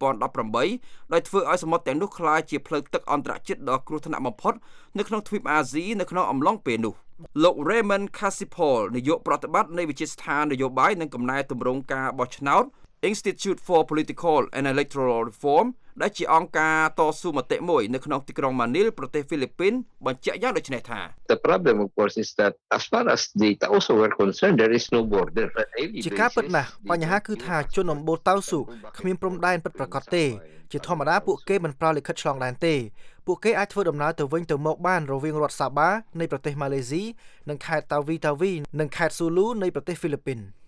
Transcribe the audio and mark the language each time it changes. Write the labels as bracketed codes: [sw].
[km] 2018ដោយធ្វើឲ្យសមុទ្រទាំងនោះក្លាយជាផ្លូវទឹកអន្តរជាតិដ៏គ្រោះថ្នាក់បំផុតនៅក្នុងទ្វីបអាស៊ីនៅក្នុងអំឡុងពេលនោះលោក Raymond Casipol នាយកប្រតិបត្តិនៃវិទ្យាស្ថាននយោបាយនិងកំណែទម្រង់ការបោះឆ្នោតInstitute for Political and Electoral Reform ដែលជាអង្គការតស៊ូមតិមួយនៅក្នុងទីក្រុងម៉ានីលប្រទេសហ្វីលីពីនបញ្ជាក់យ៉ាងដូចនេះថា [en] The problem of course is that as far as data also were concerned there is no border [km] ជាការពិតណាស់បញ្ហាគឺថាជនអំបូតៅស៊ូគ្មានព្រំដែនពិតប្រាកដទេជាធម្មតាពួកគេមិនប្រើលិខិតឆ្លងដែនទេពួកគេអាចធ្វើដំណើរទៅវិញទៅមកបានរវាងរដ្ឋសាបានៃប្រទេសម៉ាឡេស៊ីនិងខេត្តតាវីនិងខេត្តស៊ូលូនៃប្រទេសហ្វីលីពីន